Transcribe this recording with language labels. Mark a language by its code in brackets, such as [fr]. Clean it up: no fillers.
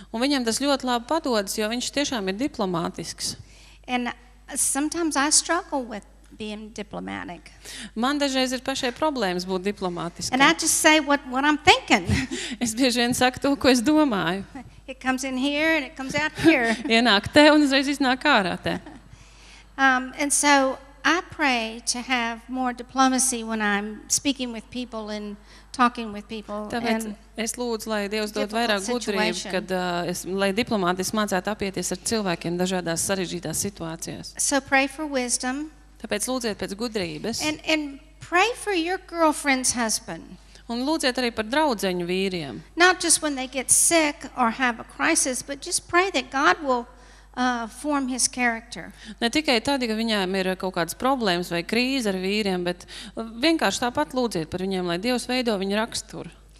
[lv] Un viņam tas ļoti labi padodas, jo viņš tiešām ir diplomātisks. [en] And sometimes I struggle with being diplomatic. [lv] Man dažreiz ir pašai problēmas būt diplomātiskai. [en] And I just say what I'm thinking. [lv] Es bieži vien saku to, ko es domāju. [en] It comes in here and it comes out here. [lv] Ienāk te un uzreiz iznāk ārā te. [en] And so I pray to have more diplomacy when I'm speaking with people and talking with people. [lv] Tāpēc es lūdzu, lai Dievs dod vairāk gudrību, kad lai diplomātiski mācētu apieties ar cilvēkiem dažādās sarežģītās situācijās. [en] So pray for wisdom. [lv] Tāpēc lūdziet pēc gudrības. [en] And pray for your girlfriend's husband. [lv] Un lūdziet arī par draudzeņu vīriem. [en] Not just when they get sick or have a crisis, but just pray that God will form his character. [lv] Ne tikai tad, ka viņiem ir kaut kādas problēmas vai krīze ar vīriem, bet vienkārši tāpat lūdziet par viņiem, lai Dievs veido viņu raksturu.